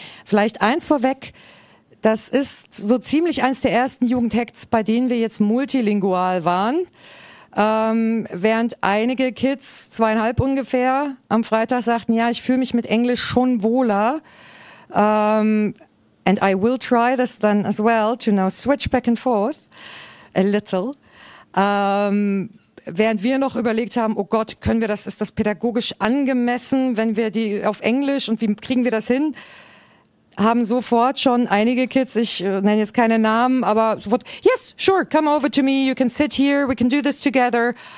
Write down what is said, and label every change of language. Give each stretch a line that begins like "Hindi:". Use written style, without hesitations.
German: Vielleicht eins vorweg. Das ist so ziemlich eins der ersten Jugendhacks, bei denen wir jetzt multilingual waren. Während einige Kids, 2,5 ungefähr, am Freitag sagten, ja, ich fühle mich mit Englisch schon wohler.
English: And I will try this then as well, to now switch back and forth a little.
German: Während wir noch überlegt haben, oh Gott, können wir das, ist das pädagogisch angemessen, wenn wir die auf Englisch und wie kriegen wir das hin? Haben sofort schon einige Kids, ich nenne jetzt keine Namen, aber sofort,
English: yes, sure, come over to me, you can sit here, we can do this together.